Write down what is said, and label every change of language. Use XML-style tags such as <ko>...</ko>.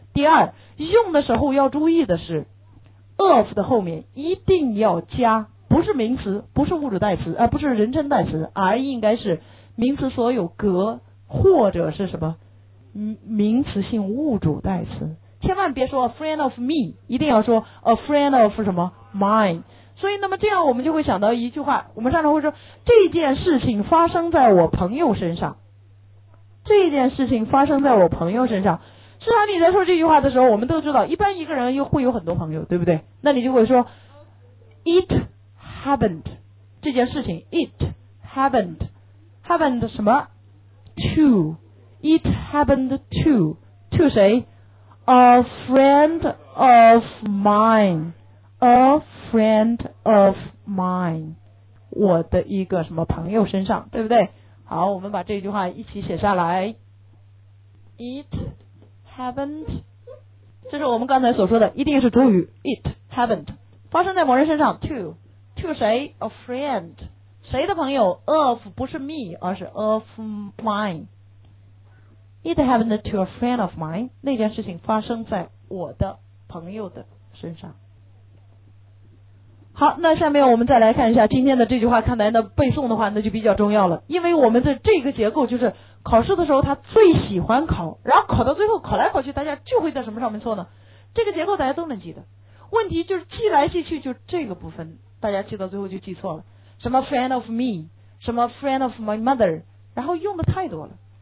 <zh>第二，用的时候要注意的是 of 的后面一定要加，不是名词，不是物质代词，不是人称代词，而应该是名词所有格或者是什么名词性物主代词，千万别说</zh> <en>a friend of me，</en> <zh>一定要说</zh> <en>a friend of</en> <zh>什么</zh> <en>mine。</en> <zh>所以那么这样我们就会想到一句话，我们上常会说这件事情发生在我朋友身上，这件事情发生在我朋友身上。实际上你在说这句话的时候，我们都知道一般一个人又会有很多朋友，对不对？那你就会说 it happened， 这件事情 it happened， happened 什么 to，</zh> <en>it happened to，</en> <zh>to 谁？</zh> <en>a friend of mine，</en> <zh>a friend of mine， 我的一个什么朋友身上，对不对？好，我们把这句话一起写下来，</zh> <en>it happened，</en> <zh>这是我们刚才所说的，一定是主语 it happened， 发生在某人身上 to， to 谁？</zh> <en>a friend，</en> <zh>谁的朋友？ of 不是 me， 而是</zh> <en>of mine， it happened to a friend of mine，</en> <zh>那件事情发生在我的朋友的身上。好，那下面我们再来看一下今天的这句话，看来呢背诵的话那就比较重要了，因为我们的这个结构就是考试的时候他最喜欢考，然后考到最后考来考去大家就会在什么上面错呢？这个结构大家都能记得，问题就是记来记去就这个部分大家记到最后就记错了，什么</zh> <en>friend of me，</en> <zh>什么</zh> <en>friend of my mother，</en> <zh>然后用的太多了。</zh>